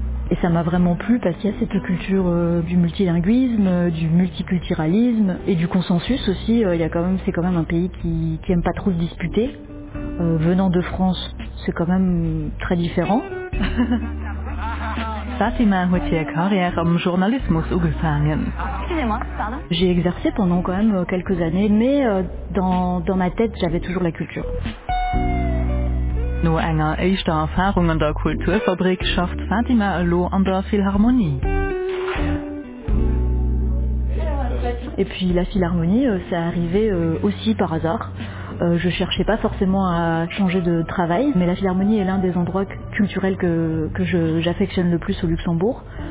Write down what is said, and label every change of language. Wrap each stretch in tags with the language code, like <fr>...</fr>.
<fr>Et ça m'a vraiment plu parce qu'il y a cette culture du multilinguisme, du multiculturalisme et du consensus aussi. C'est quand même un pays qui aime pas trop se disputer. Venant de France, c'est quand même très différent.</fr> <de>Fatima hat ihre Karriere im Journalismus angefangen.</de> <fr>J'ai exercé pendant quand même quelques années, mais dans ma tête, j'avais toujours la culture.</fr> <de>Nur einer ersten Erfahrung an der Kulturfabrik schafft Fatima allo an der Philharmonie.</de> <fr>Et puis la Philharmonie, c'est arrivé aussi par hasard. Je cherchais pas forcément à changer de travail, mais la Philharmonie est l'un des endroits culturels que j'affectionne le plus au Luxembourg.</fr>